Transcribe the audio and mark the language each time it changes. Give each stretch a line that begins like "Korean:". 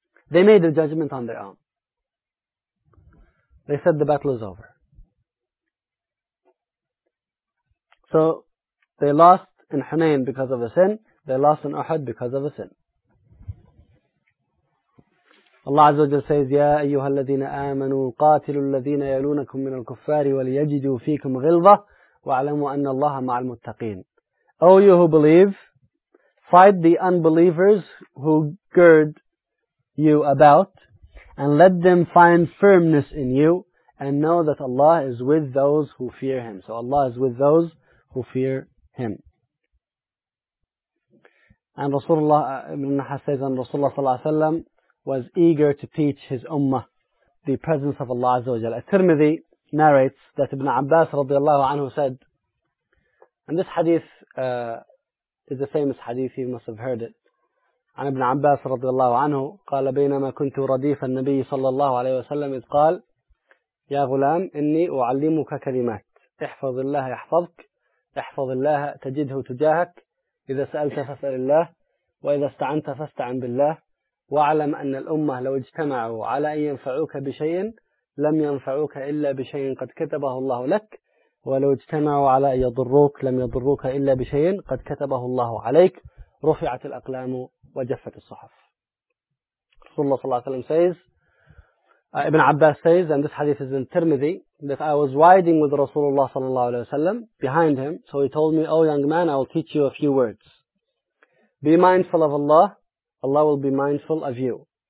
English: They made a judgment on their own. They said the battle is over. So, they lost in Hunayn because of a sin. They lost in Uhud because of a sin. Allah Azza wa Jalla says,
Arabic: يَا أَيُّهَا الَّذِينَ آمَنُوا قَاتِلُوا الَّذِينَ يَلُونَكُمْ مِنَ الْكُفَّارِ وَلْيَجِدُوا فِيكُمْ غِلْظَةِ وَعْلَمُوا أَنَّ اللَّهَ مَعَ الْمُتَّقِينَ.
English: O you who believe, fight the unbelievers who gird you about, and let them find firmness in you, and know that Allah is with those who fear Him. So Allah is with those who fear Him. And Rasulullah ibn Nahas says, and Rasulullah sallallahu alayhi wa sallam was eager to teach his ummah the presence of Allah azza wa jalla. At-Tirmidhi narrates that Ibn Abbas radiallahu anhu said, and this hadith is a famous hadith, you must have heard it,
Arabic: عن ابن عباس رضي الله عنه قال بينما كنت رديف النبي صلى الله عليه وسلم إذ قال يا غلام إني أعلمك كلمات احفظ الله يحفظك احفظ الله تجده تجاهك إذا سألت فاسأل الله وإذا استعنت فاستعن بالله واعلم أن الأمة لو اجتمعوا على أن ينفعوك بشيء لم ينفعوك إلا بشيء قد كتبه الله لك ولو اجتمعوا على أن يضروك لم يضروك إلا بشيء قد كتبه الله عليك رفعت الأقلام وجفت الصحف.
English: رسول الله صلى الله عليه وسلم says, Ibn Abbas says, and this hadith is in Tirmidhi, that I was riding with Rasulullah صلى الله عليه وسلم behind him, so he told me, oh young man, I will teach you a few words. Be mindful of Allah, Allah will be mindful of you.